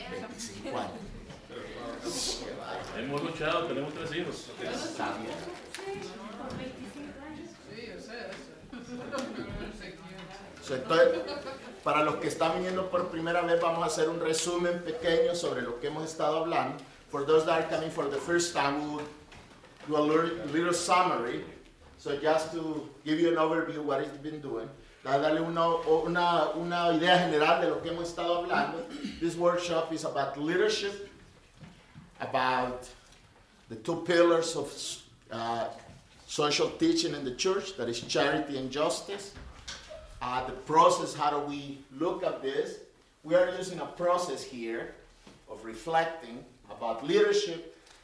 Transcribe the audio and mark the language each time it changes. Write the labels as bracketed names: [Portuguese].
[Spanish] 25 años. Hemos luchado, tenemos tres hijos. Está bien. Sí, yo sé eso. So, entonces, para los que están viniendo por primera vez, vamos a hacer un resumen pequeño sobre lo que hemos estado hablando. [English] For those that are coming for the first time, we'll do a little summary. So just to give you an overview of what it's been doing. [Spanish] Darle una idea general de lo que hemos estado hablando. [English] This workshop is about leadership, about the two pillars of social teaching in the church, that is charity and justice. The process, how do we look at this? We are using a process here of reflecting about leadership.